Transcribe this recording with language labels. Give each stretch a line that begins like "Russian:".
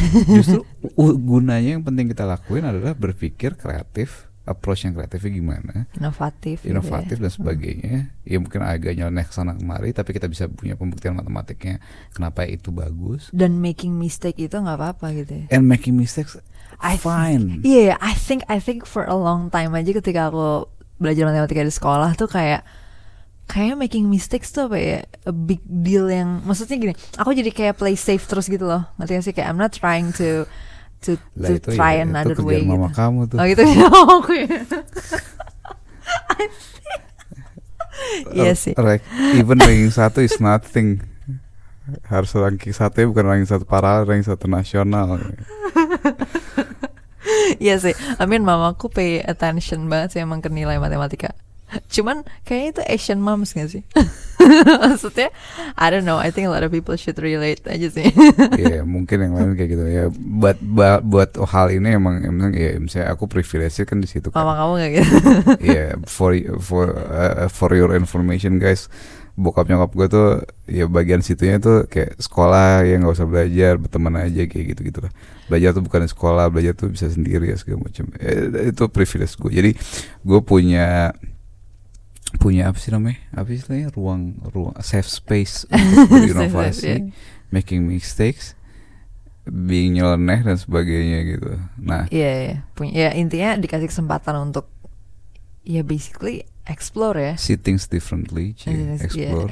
Indonesian: Justru gunanya yang penting kita lakuin adalah berpikir kreatif, approach yang kreatifnya gimana, inovatif gitu ya. Dan sebagainya. Ya mungkin agak nyeleneh kesana kemari, tapi kita bisa punya pembuktian matematiknya kenapa itu bagus. Dan
English: making mistake
Indonesian: itu nggak apa-apa gitu. Ya.
English: And making mistakes, fine. I think for a long time
Indonesian: aja ketika aku belajar matematika di sekolah tuh kayak
English: making mistakes
Indonesian: tuh apa ya,
English: a big deal.
Indonesian: Yang maksudnya gini, aku jadi kayak
English: play safe
Indonesian: terus gitu loh, ngerti gak sih?
English: Kayak I'm not trying to try
Indonesian: ya,
English: another way
Indonesian: gitu. Mama kamu tuh. Oh gitu ya. Oke. Iya sih.
English: Like, even ranking 1 is nothing.
Indonesian: Harus ranking 1 ya, bukan ranking 1 paralel, ranking 1 nasional. Iya sih.
English: I mean,
Indonesian: mamaku
English: pay attention
Indonesian: banget sih emang ke nilai matematika. Cuman kayaknya itu
English: Asian moms
Indonesian: gak sih?
English: Maksudnya, I don't know, I think a lot of people should relate aja sih.
Indonesian: Iya, yeah, mungkin yang lain kayak gitu ya. Yeah, buat buat hal ini emang ya, yeah, misalnya aku privilege kan di situ kan. Mama kamu gak gitu? Iya, yeah,
English: for your information guys,
Indonesian: bokap nyokap gue tuh ya bagian situnya tuh kayak sekolah ya, gak usah belajar, berteman aja kayak gitu-gitu lah. Belajar tuh bukan sekolah, belajar tuh bisa sendiri ya segala macam. Itu privilege gue. Jadi gue punya apa sih namanya? Apa sih namanya? Ruang
English: safe space
Indonesian: untuk berinovasi, yeah.
English: Making mistakes, being
Indonesian: nyeleneh dan sebagainya gitu. Nah, Punya intinya dikasih kesempatan untuk ya basically explore ya.
English: See things differently, explore.